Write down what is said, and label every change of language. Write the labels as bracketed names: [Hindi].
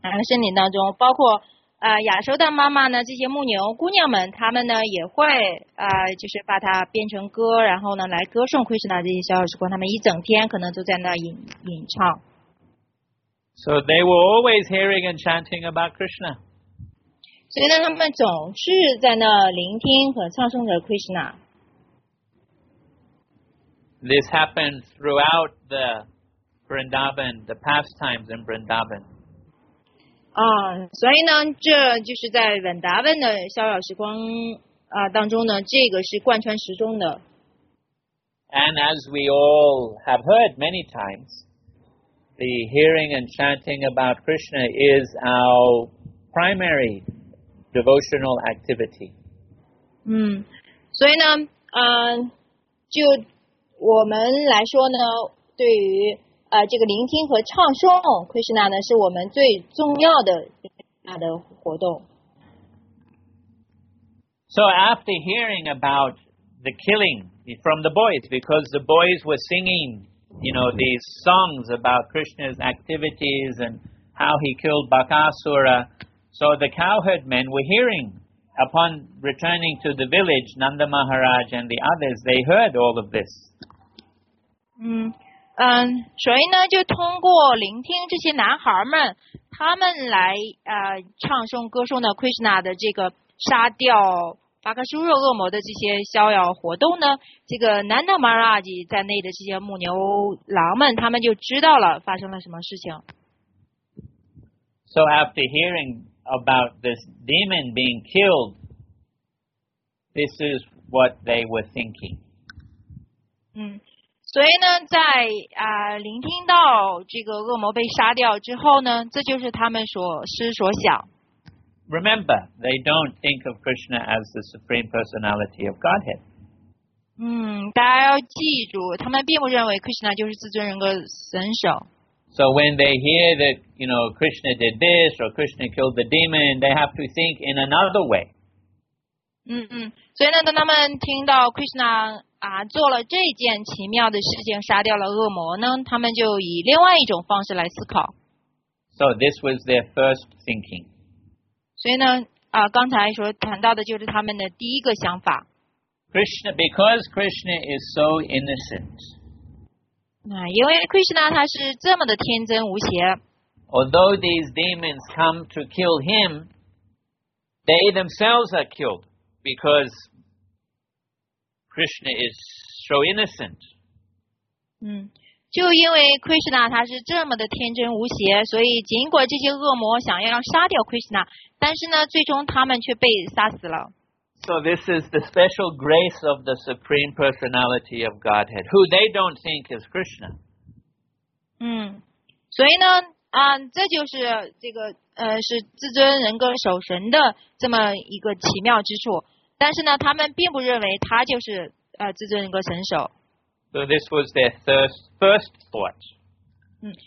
[Chinese] 森林当中，包括亚修的妈妈呢，这些牧牛姑娘们，她们呢也会就是把它编成歌，然后呢来歌颂 Krishna 这些逍遥时光。她们一整天可能都在那吟唱。 [English] So they were always hearing and chanting about Krishna. [Chinese] 所以呢，他们总是在那聆听和唱诵着 Krishna. [English] This happened throughout the Vrindavan, the pastimes in Vrindavan. [Chinese] 所以呢，这就是在文达文的逍遥时光当中呢，这个是贯穿始终的。 [English] And as we all have heard many times, the hearing and chanting about Krishna is our primary devotional activity. [Chinese] 所以呢，就我们来说呢，对于这个聆听和唱诵 Krishna 呢，是我们最重要的活动。 [English] So after hearing about the killing from the boys, because the boys were singing, you know, these songs about Krishna's activities and how he killed Bakasura, so the cowherd men were hearing. Upon returning to the village, Nanda Maharaj and the others, they heard all of this. [Chinese] 所以呢，就通过聆听这些男孩们，他们来唱诵歌颂的 Krishna 的这个杀掉巴克苏若恶魔的这些逍遥活动呢，这个 Nanda Maharaj 在内的这些牧牛郎们，他们就知道了发生了什么事情。 [English] So after hearing about this demon being killed, this is what they were thinking. [Chinese] 所以呢，在聆听到这个恶魔被杀掉之后呢，这就是他们所思所想。 [English] Remember, they don't think of Krishna as the supreme personality of Godhead. [Chinese] 大家要记住，他们并不认为 Krishna 就是自尊人格神首。 [English] So when they hear that, you know, Krishna did this or Krishna killed the demon, they have to think in another way. [Chinese] 所以呢，当他们听到 Krishna 做了这件奇妙的事情，杀掉了恶魔呢，他们就以另外一种方式来思考。 [English] So this was their first thinking. [Chinese] 所以呢，刚才所谈到的就是他们的第一个想法。 [English] Krishna, because Krishna is so innocent, [Chinese] 因为 Krishna 他是这么的天真无邪, [English] although these demons come to kill him, they themselves are killed because Krishna is so innocent. [Chinese] 就因为 Krishna 他是这么的天真无邪，所以尽管这些恶魔想要杀掉 Krishna， 但是呢，最终他们却被杀死了。 [English] So this is the special grace of the Supreme Personality of Godhead, who they don't think is Krishna. [Chinese] 所以呢，这就是这个是至尊人格守神的这么一个奇妙之处。但是呢，他们并不认为他就是至尊人格神守。 [English] So this was their first thought.